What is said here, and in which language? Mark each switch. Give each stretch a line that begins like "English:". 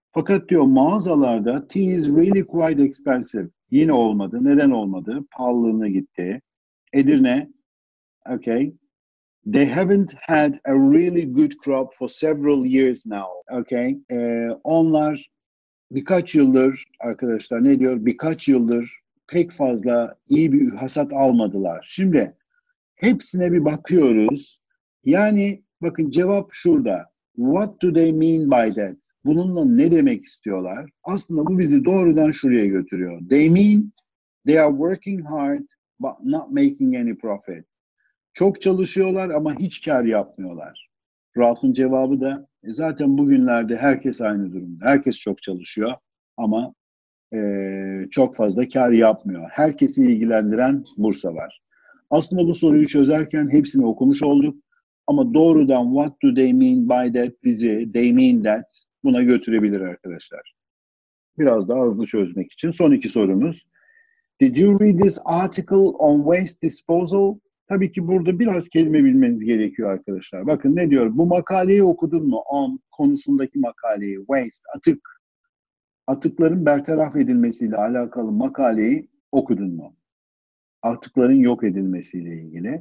Turkish: Fakat diyor mağazalarda
English: tea is really quite expensive.
Turkish: Yine olmadı. Neden olmadı? Pahalılığına gitti. Edirne.
English: Okay. They haven't had a really good crop for several years now. Okay.
Turkish: Onlar birkaç yıldır arkadaşlar ne diyor? Birkaç yıldır pek fazla iyi bir hasat almadılar. Şimdi hepsine bir bakıyoruz. Yani bakın cevap şurada.
English: What do they mean by that?
Turkish: Bununla ne demek istiyorlar? Aslında bu bizi doğrudan şuraya götürüyor.
English: They mean they are working hard but not making any profit.
Turkish: Çok çalışıyorlar ama hiç kar yapmıyorlar. Ralph'ın cevabı da zaten bugünlerde herkes aynı durumda. Herkes çok çalışıyor ama çok fazla kar yapmıyor. Herkesi ilgilendiren bursa var. Aslında bu soruyu çözerken hepsini okumuş olduk. Ama doğrudan
English: what do they mean by that
Turkish: bizi,
English: they mean that
Turkish: buna götürebilir arkadaşlar. Biraz daha hızlı çözmek için son iki sorumuz.
English: Did you read this article on waste disposal?
Turkish: Tabii ki burada biraz kelime bilmeniz gerekiyor arkadaşlar. Bakın ne diyor? Bu makaleyi okudun mu? On konusundaki makaleyi, waste, atık. Atıkların bertaraf edilmesiyle alakalı makaleyi okudun mu? Atıkların yok edilmesiyle ilgili.